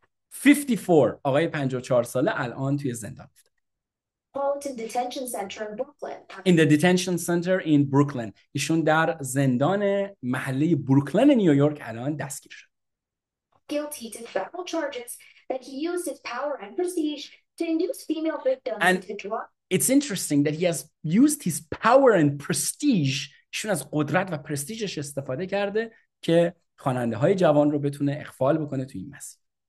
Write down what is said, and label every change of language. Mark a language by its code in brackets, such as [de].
[fa] 54 آقای 54 ساله الان توی زندان افتاده. [en] In the detention center in Brooklyn. [fa] ایشون در زندان محله بروکلین نیویورک الان دستگیر شد. [en] Guilty to federal charges that he used his power and prestige to induce female victims and to drop. It's interesting that he has used his power and prestige. [fa] ایشون از قدرت و پرستیژش استفاده کرده که خواننده های جوان رو بتونه اخفال بکنه تو این مسیر.